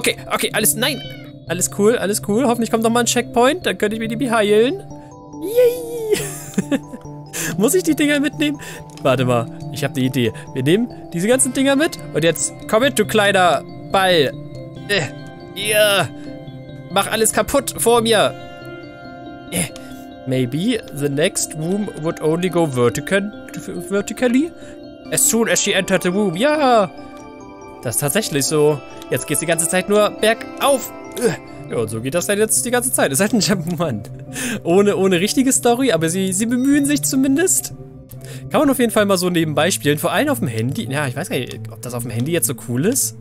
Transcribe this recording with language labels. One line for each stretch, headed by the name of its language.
German: Okay, alles, nein. Alles cool, hoffentlich kommt nochmal ein Checkpoint, dann könnte ich mir die heilen. Yay! Muss ich die Dinger mitnehmen? Warte mal, ich habe eine Idee. Wir nehmen diese ganzen Dinger mit und jetzt komm mit, du kleiner Ball. Mach alles kaputt vor mir.
English: Maybe the next room would only go vertically as soon as she entered the room.
German: Ja! Das ist tatsächlich so. Jetzt geht's die ganze Zeit nur bergauf. Ja, und so geht das dann jetzt die ganze Zeit. Ist halt ein Jump'n'Run. Ohne richtige Story, aber sie bemühen sich zumindest. Kann man auf jeden Fall mal so nebenbei spielen. Vor allem auf dem Handy. Ja, ich weiß gar nicht, ob das auf dem Handy jetzt so cool ist.